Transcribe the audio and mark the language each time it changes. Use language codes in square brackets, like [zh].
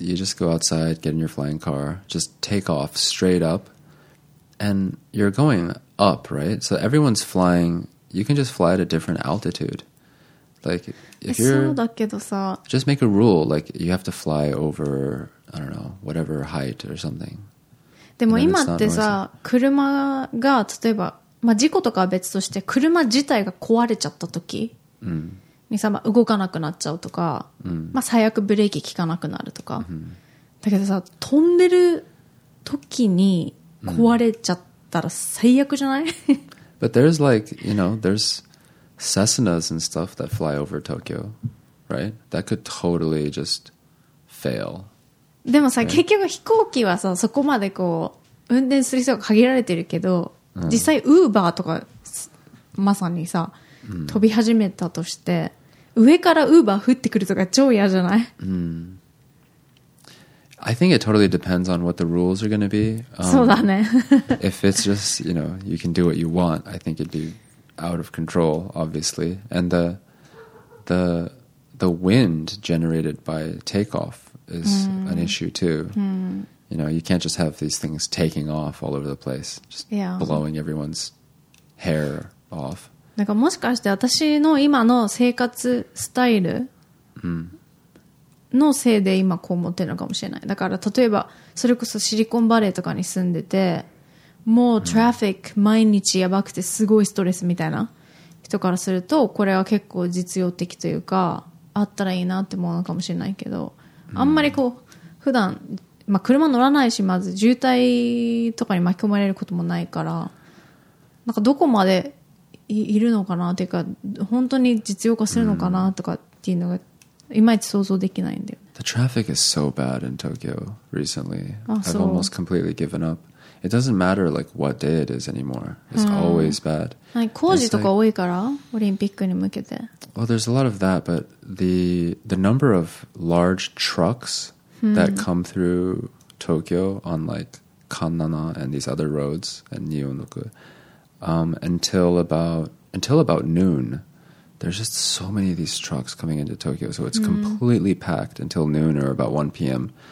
[en] You just go outside, get in your flying car, just take off straight up, and you're going up, right? So everyone's flying... You can just fly at a different altitude. Like, if you're... Just make a rule, like, you have to fly over, I don't know, whatever height or something. [ja] でも今ってさ、車が例えば、まあ事故とかは別として、車自体が壊れちゃった時にさ、まあ動かなくなっちゃうとか、まあ最悪ブレーキ効かなくなるとか。だけどさ、飛んでる時に壊れちゃったら最悪じゃない? [en] But there's like, you know, there's... Cessnas and stuff that fly over Tokyo, right? That could totally just fail. [ja] でもさ、right. 結局飛行機はさそこまでこう運転する人が限られてるけど、実際ウーバーとかまさにさ、飛び始めたとして上からウーバー降ってくるとか超嫌じゃない？ [en] I think it totally depends on what the rules are going to be. [ja] そうだね。 [en] If it's just, you know, you can do what you want, I think it'd be out of control, obviously. And the wind generated by takeoff is an issue too. You know, you can't just have these things taking off all over the place, just blowing everyone's hair off. [ja] なんかもしかして私の今の生活スタイル？のせいで今こう思ってるのかもしれない。だから例えばそれこそシリコンバレーとかに住んでてもうトラフィック毎日やばくてすごいストレスみたいな人からするとこれは結構実用的というかあったらいいなって思うのかもしれないけど、あんまりこう普段、まあ、車乗らないしまず渋滞とかに巻き込まれることもないからなんかどこまで いるのかなっていうか本当に実用化するのかなとかっていうのがいまいち想像できないんだよ。 [en] The traffic is so bad in Tokyo recently. I've almost completely given up. It doesn't matter like what day it is anymore. It's always bad. [ja] 工事とか多いから、オリンピックに向けて。 [en] Well, there's a lot of that, but the number of large trucks that come through Tokyo on like Kannana and these other roads and Nihonoku, until about noon. There's just so many of these trucks coming into Tokyo, so it's completely packed until noon or about 1 p.m.